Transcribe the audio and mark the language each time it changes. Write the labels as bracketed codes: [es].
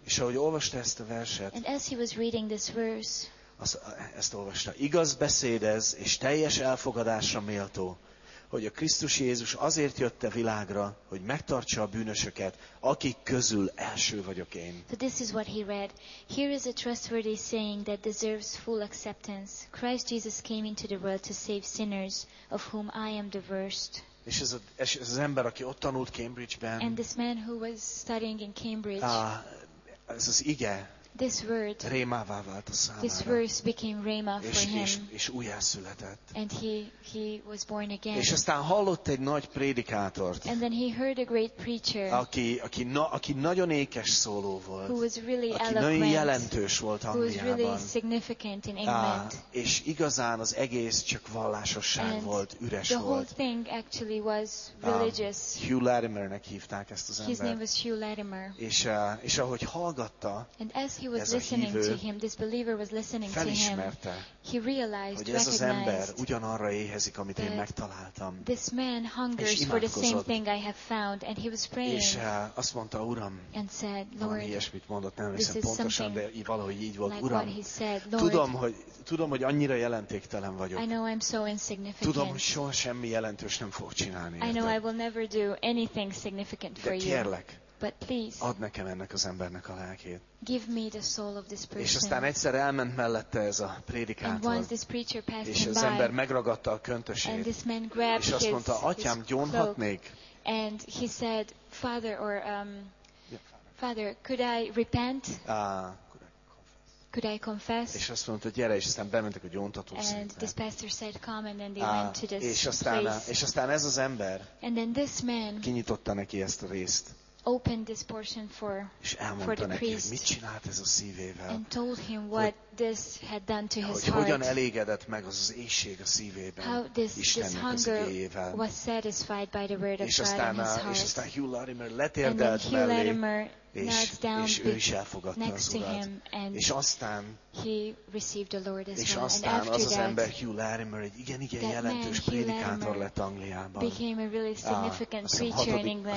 [hu] És ahogy olvasta ezt a verset. [en] And as he was reading this verse. [hu] Ezt olvasta. Igaz beszédez és teljes elfogadásra méltó, hogy a Krisztus Jézus azért jött a világra, hogy megtartsa a bűnösöket, akik közül első vagyok én. [en] So this is what he read. Here is a trustworthy saying that deserves full acceptance. Christ Jesus came into the world to save sinners, of whom I am the worst. [hu] És ez az ember, aki ott tanult Cambridge-ben. [en] And this man who was studying in Cambridge. [hu] Ez az ige. [en] This word. [hu] Rémává vált a számára. [en] This verse became réma for him. [hu] És újjászületett. [en] And he was born again. [hu] És aztán hallott egy nagy prédikátort. [en] And then he heard a great preacher. [hu] Aki nagyon ékes szóló volt. [en] Who was really [hu] aki [en] eloquent. [hu] Nagyon jelentős volt Angliában. [en] Who was really significant in England. [hu] És igazán az egész csak vallásosság [en] and [hu] volt, üres [en] the [hu] volt. [en] The whole thing actually was religious. [hu] Hugh Latimer-nek hívták ezt az embert. [en] His name was Hugh Latimer. [hu] És ahogy hallgatta. [en] And as he was listening to him, this believer was listening to him, he realized, recognized that this man hungers for the same thing I have found, and he was praying [hu] és, azt mondta, Uram, [en] and said, Lord, [hu] ilyesmit mondott, nem hiszem pontosan, de valahogy így volt, [en] like [hu] Uram, [en] what he said, Lord, [hu] tudom, hogy annyira jelentéktelen vagyok. [en] I know I'm so insignificant. [hu] Tudom, hogy soha semmi jelentős nem fog csinálni. [en] I know I will never do anything significant for you. [hu] De kérlek, [en] but please, [hu] add nekem ennek az embernek a lelkét. [en] Give me the soul of this person. [hu] És aztán egyszer elment mellette ez a prédikátor, és az ember megragadta a köntösét, [en] and this man grabbed [hu] és azt mondta, atyám, gyónhatnék? [en] And he said, Father, or Father, could I repent? Could I confess? [hu] És azt mondta, gyere, és aztán bementek a gyóntató székre. [en] And this pastor said, come, and then they went to this [hu] és aztán, [en] place. [hu] És aztán ez az ember, [en] and then this man, [hu] kinyitotta neki ezt a részt. [en] Opened this portion for the priest and told him what this had done to his heart. [hu] Hogyan elégedett meg az éhség a szívében. [en] How this hunger was satisfied by the word of God in his heart. [hu] És aztán Hugh Latimer letérdelt mellé, és ő is elfogadta [en] next to him, and [hu] és aztán, [en] he received the Lord as well. [hu] És aztán az az ember Hugh Latimer egy igen jelentős prédikátor lett Angliában. [en] Became a really significant preacher in England.